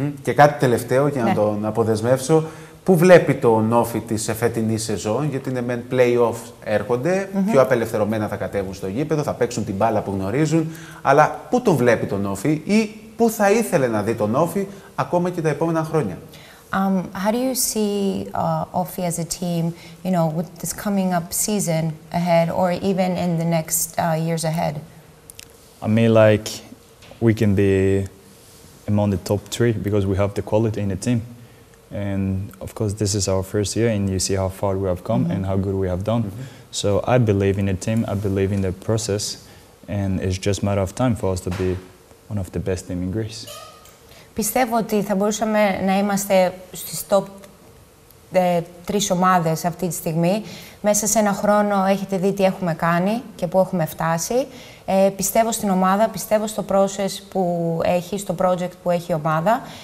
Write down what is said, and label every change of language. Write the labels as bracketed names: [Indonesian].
[Greek] Και κάτι τελευταίο για να τον αποδεσμεύσω. Πού βλέπει το Νόφι της φετινής σεζόν? Γιατί είναι μεν play-offs έρχονται, πιο απελευθερωμένα θα κατέβουν στο γήπεδο, θα παίξουν την μπάλα που γνωρίζουν. Αλλά πού τον βλέπει το Νόφι ή πού θα ήθελε να δει το Νόφι ακόμα και τα επόμενα χρόνια? [English] How do you see Όφι as a team, you know, with this coming up season ahead or even in the next years ahead? I mean, like, we can be among the top three because we have the quality in the team. And, of course, this is our first year and you see how far we have come and how good we have done. So I believe in the team, I believe in the process, and it's just a matter of time for us to be one of the best team in Greece. [Greek] Πιστεύω ότι θα μπορούσαμε να είμαστε στις top 3 ομάδες αυτή τη στιγμή. Μέσα σε ένα χρόνο έχετε δει τι έχουμε κάνει και πού έχουμε φτάσει. Πιστεύω στην ομάδα, πιστεύω στο process που έχει, στο project που έχει η ομάδα